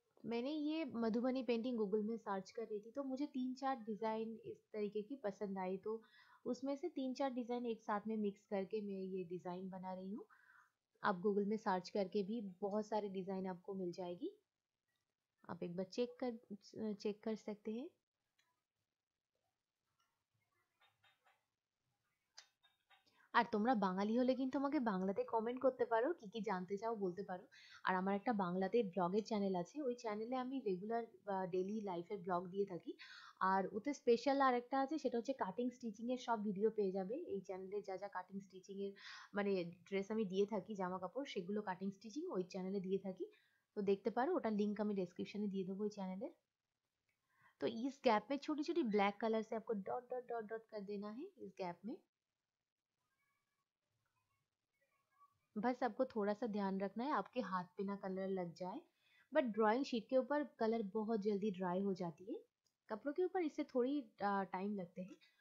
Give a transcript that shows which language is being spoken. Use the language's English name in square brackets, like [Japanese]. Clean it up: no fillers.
[Hindi] मैंने ये Madhubani painting Google में सर्च कर रही थी, तो मुझे 3-4 डिजाइन इस तरीके की पसंद आई, तो उसमें से 3-4 डिजाइन एक साथ में मिक्स करके मैं ये डिजाइन बना रही हूँ। आप गूगल में सर्च करके भी बहुत सारे डिजाइन आपको मिल जाएगी, आप एक बार चेक कर सकते हैं। [Bangla] আর তোমরা বাঙালি হলে কিন্তু আমাকে বাংলাতে কমেন্ট করতে পারো, কি কি জানতে চাও বলতে পারো। আর আমার একটা বাংলাতে ব্লগের চ্যানেল আছে, ওই চ্যানেলে আমি রেগুলার ডেইলি লাইফের ব্লগ দিয়ে থাকি। আর ওতে স্পেশাল আর একটা আছে, সেটা হচ্ছে কাটিং স্টিচিং এর সব ভিডিও পেয়ে যাবে এই চ্যানেলে, যা যা কাটিং স্টিচিং এর মানে ড্রেস আমি দিয়ে থাকি, জামা কাপড়, সেগুলো কাটিং স্টিচিং ওই চ্যানেলে দিয়ে থাকি, তো দেখতে পারো, ওটা লিংক আমি ডেসক্রিপশনে দিয়ে দেবো ওই চ্যানেলের। [Hindi] তো ইস গ্যাপ মে ছোটি ছোটি ব্ল্যাক কালার সে আপকো ডট ডট ডট ডট কর দেনা হ্যায় ইস গ্যাপ মে, बस आपको थोड़ा सा ध्यान रखना है आपके हाथ पे ना कलर लग जाए, बट ड्राइंग शीट के ऊपर कलर बहुत जल्दी ड्राई हो जाती है, कपड़ों के ऊपर इससे थोड़ी टाइम लगते हैं।